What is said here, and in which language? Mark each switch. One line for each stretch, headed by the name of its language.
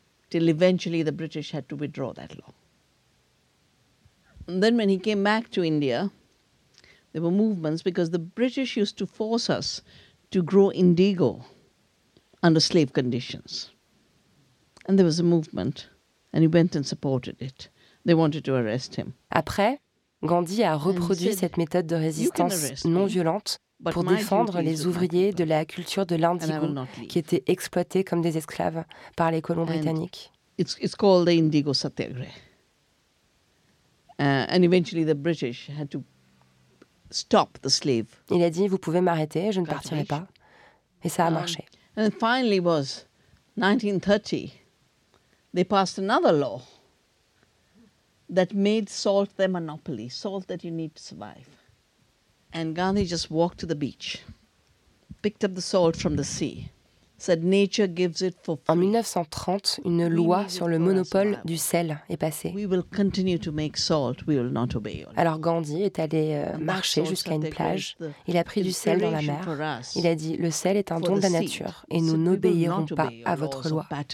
English: Till eventually the British had to withdraw that law. And then when he came back to India, there were movements because the British used to force us to grow indigo under slave conditions. And there was a movement, and he went and supported it. They wanted to arrest him.
French: Après, Gandhi a reproduit cette méthode de résistance non violente pour défendre les ouvriers de la culture de l'indigo qui étaient exploités comme des esclaves par les colons britanniques.
English: It's called the indigo satyagraha. And eventually the British had to stop the slave.
French: Il a dit, vous pouvez m'arrêter, je ne partirai pas. Et ça a marché.
English: And finally was 1930, they passed another law that made salt their monopoly, salt that you need to survive. And Gandhi just walked to the beach, picked up the salt from the sea, said nature gives it for free.
French: En 1930, une loi sur le monopole du sel est passée.
English: We will continue to make salt, we will not obey your law.
French: Alors Gandhi est allé marcher jusqu'à une plage, il a pris du sel dans la mer, il a dit le sel est un don de la nature et nous n'obéirons pas à votre loi.